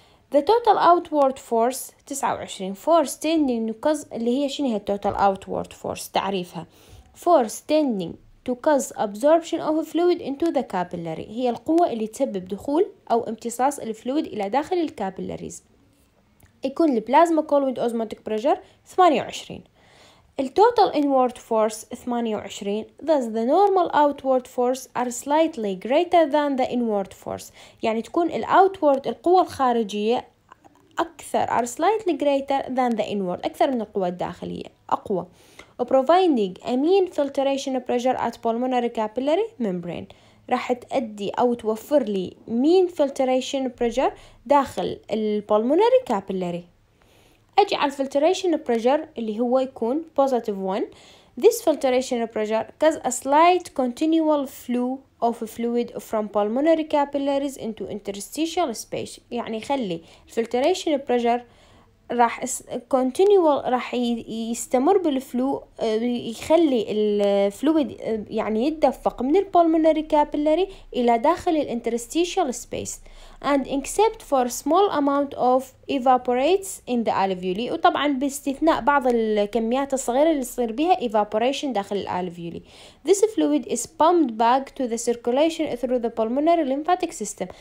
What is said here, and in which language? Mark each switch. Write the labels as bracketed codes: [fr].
[en] The total outward force 29. Force standing to cause [ar] اللي هي شنو هي [en] total outward force [ar] تعريفها. [en] Force standing to cause absorption of fluid into the capillary [ar] هي القوة اللي تسبب دخول أو امتصاص الفلويد إلى داخل الكابيلاريز. يكون البلازما كولويد أوزموتيك بريشر 28. التوتال انوارد فورس 28. [en] Thus the normal outward force are slightly greater than the inward force. [ar] يعني تكون الاوتورد القوة الخارجية أكثر [en] are slightly greater than the inward [ar] أكثر من القوة الداخلية أقوى. [en] Providing a mean filtration pressure at pulmonary capillary membrane [ar] راح تأدي أو توفر لي [en] mean filtration pressure [ar] داخل البولمونري كابيلاري. أجي على الفلتريشن بريشر اللي هو يكون positive 1. [en] This filtration pressure cause a slight continual flow of fluid from pulmonary capillaries into interstitial space. [ar] يعني خلي الفلتريشن بريشر راح continual راح يستمر بالفلو يخلي الفلويد يعني يتدفق من البولمونري كابيلاري الى داخل الانترستيشال سبيس [en] and except for small amount of evaporates in the alveoli [ar] وطبعا باستثناء بعض الكميات الصغيره اللي يصير بها evaporation داخل الالفيولي. [en] This fluid is pumped back to the circulation through the pulmonary lymphatic system.